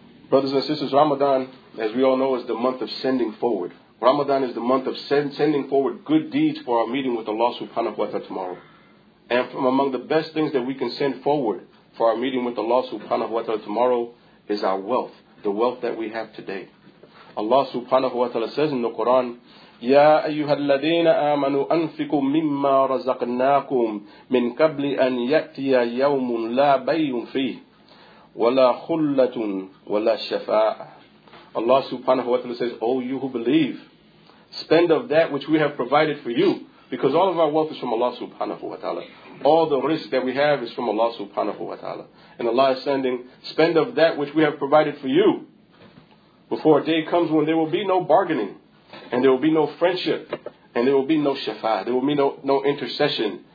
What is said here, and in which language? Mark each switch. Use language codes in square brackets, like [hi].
[en] Brothers and sisters, Ramadan, as we all know, is the month of sending forward. Ramadan is the month of sending forward good deeds for our meeting with Allah subhanahu wa ta'ala tomorrow. And from among the best things that we can send forward for our meeting with Allah subhanahu wa ta'ala tomorrow is our wealth, the wealth that we have today. [ar] Allah subhanahu wa ta'ala says in the Quran, يَا أَيُّهَا الَّذِينَ آمَنُوا أَنْفِقُوا مِمَّا رَزَقْنَاكُمْ مِنْ قَبْلِ أَنْ يَأْتِيَ يَوْمٌ لَا بَيْعٌ فِيهِ وَلَا خُلَّةٌ وَلَا شَفَاءٌ. [en] Allah subhanahu wa ta'ala says, O you who believe, spend of that which we have provided for you, because all of our wealth is from Allah subhanahu wa ta'ala. All the risk that we have is from Allah subhanahu wa ta'ala. And Allah is sending, spend of that which we have provided for you, before a day comes when there will be no bargaining, and there will be no friendship, and there will be no shafa'ah, there will be no intercession.